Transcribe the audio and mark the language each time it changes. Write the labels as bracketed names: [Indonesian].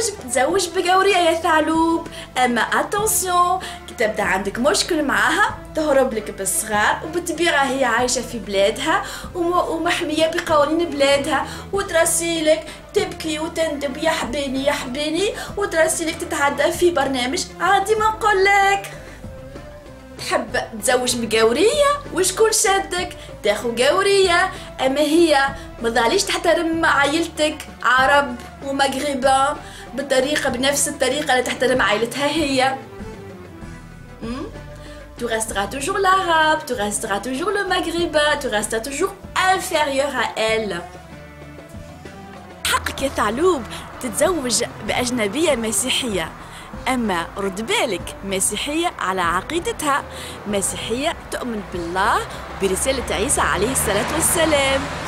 [Arabic] تزوج بجورية يا ثعلوب، أما أتنسيون كي تبدأ عندك مشكل معها تهرب لك بالصغار، وبتبيعها هي عايشة في بلادها ومحمية بقوانين بلادها، وترسيلك تبكي وتندب يا حبيني وترسيلك تتعدى في برنامج عادي ما نقول لك. تحب تزوج بجورية وشكون شدك؟ تاخو جورية أما هي مظاليش تحترم عائلتك عرب ومغربا بنفس الطريقة اللي تحترم عائلتها هي. [French] Tu resteras toujours l'arabe, tu resteras toujours le maghrébin, tu resteras toujours inférieur à elle. [Arabic] حقك يا ثعلوب تتزوج بأجنبية مسيحية، أما رد بالك مسيحية على عقيدتها، مسيحية تؤمن بالله برسالة عيسى عليه الصلاة والسلام.